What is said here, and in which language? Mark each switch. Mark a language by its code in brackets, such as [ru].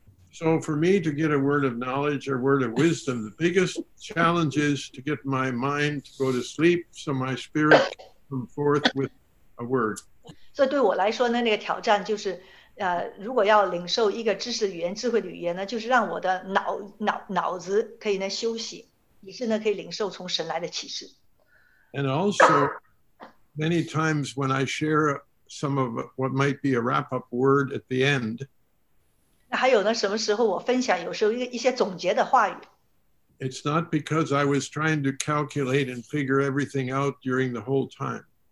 [en] So for me to get a word of knowledge or word of wisdom, the biggest challenge is to get my mind to go to sleep so my spirit can come forth with a word. [zh] 所以对我来说呢，那个挑战就是。如果要领受一个知识语言、智慧语言呢，就是让我的脑子可以呢休息，以致呢可以领受从神来的启示。And [en] also, many times when I share some of what might be a wrap-up word at the end, [zh] 那还有呢？什么时候我分享？有时候一些总结的话语。 [en] It's not because I was trying to calculate and figure everything out during the whole time.